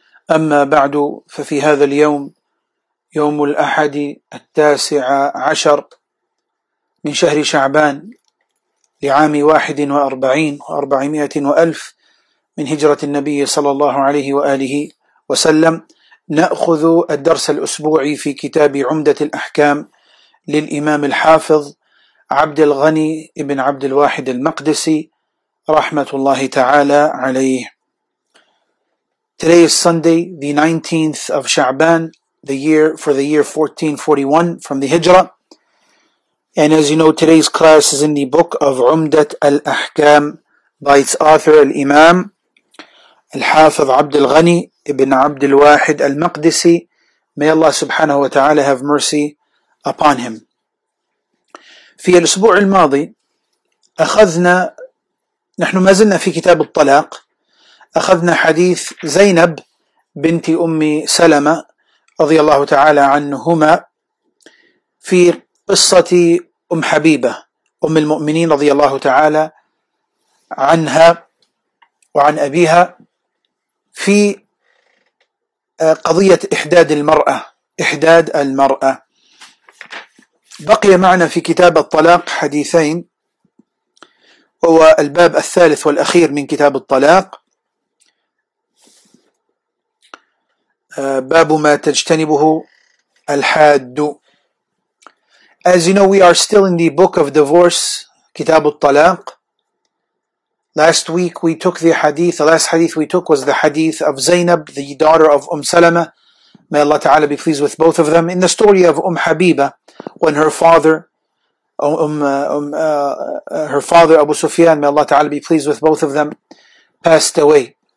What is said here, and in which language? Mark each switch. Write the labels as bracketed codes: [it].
[ar] أما بعد، ففي هذا اليوم، يوم الأحد 19 من شهر شعبان لعام 41 و400 ألف من هجرة النبي صلى الله عليه وآله وسلم، نأخذ الدرس الأسبوعي في كتاب عمدة الأحكام للإمام الحافظ عبد الغني بن عبد الواحد المقدسي رحمة الله تعالى عليه. [en] Today is Sunday, the 19th of Sha'ban, for the year 1441 from the Hijrah. And as you know, today's class is in the book of Umdat al-Ahkam by its author, al-Imam, al-Hafiz Abd al-Ghani ibn Abd al-Wahid al-Maqdisi. May Allah subhanahu wa ta'ala have mercy upon him. [ar] في الأسبوع الماضي أخذنا، نحن ما زلنا في كتاب الطلاق، أخذنا حديث زينب بنت أم سلمة رضي الله تعالى عنهما في قصة أم حبيبة أم المؤمنين رضي الله تعالى عنها وعن أبيها في قضية إحداد المرأة. بقي معنا في كتاب الطلاق حديثين، هو الباب الثالث والأخير من كتاب الطلاق، باب ما تجتنبه الحاد. [en] As you know, we are still in the book of divorce, [ar] كتاب الطلاق. [en] Last week we took the last hadith we took was the hadith of Zainab, the daughter of Salama. May Allah Ta'ala be pleased with both of them. In the story of Habiba, when her father, her father Abu Sufyan, may Allah Ta'ala be pleased with both of them, passed away.